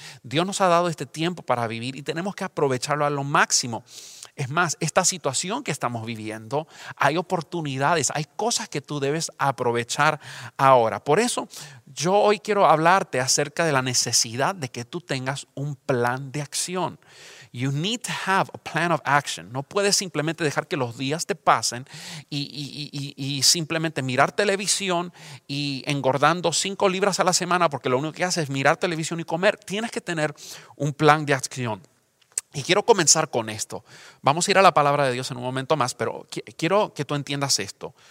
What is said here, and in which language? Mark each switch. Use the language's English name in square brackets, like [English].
[Spanish] Dios nos ha dado este tiempo para vivir y tenemos que aprovecharlo a lo máximo. Es más, esta situación que estamos viviendo, hay oportunidades, hay cosas que tú debes aprovechar ahora. Por eso yo hoy quiero hablarte acerca de la necesidad de que tú tengas un plan de acción. [English] You need to have a plan of action. [Spanish] No puedes simplemente dejar que los días te pasen y simplemente mirar televisión y engordando 5 libras a la semana porque lo único que haces es mirar televisión y comer. Tienes que tener un plan de acción. Y quiero comenzar con esto. Vamos a ir a la palabra de Dios en un momento más, pero quiero que tú entiendas esto.